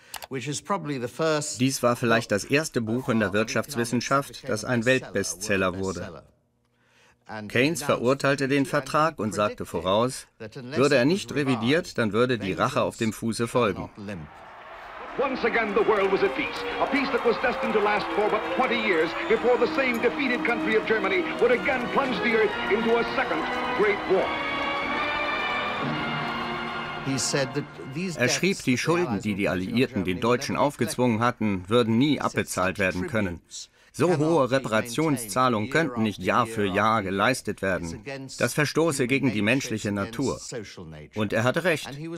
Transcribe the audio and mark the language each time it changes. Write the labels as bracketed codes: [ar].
[de] Dies war vielleicht das erste Buch in der Wirtschaftswissenschaft, das ein Weltbestseller wurde. Keynes verurteilte den Vertrag und sagte voraus, würde er nicht revidiert, dann würde die Rache auf dem Fuße folgen. [en] Once again, the world was at peace. A peace that was destined to last for but 20 years before the same defeated country of Germany would again plunge the earth into a second Great War. [de] Er schrieb, die Schulden, die die Alliierten den Deutschen aufgezwungen hatten, würden nie abbezahlt werden können. So hohe Reparationszahlungen könnten nicht Jahr für Jahr geleistet werden. Das verstoße gegen die menschliche Natur. Und er hatte recht.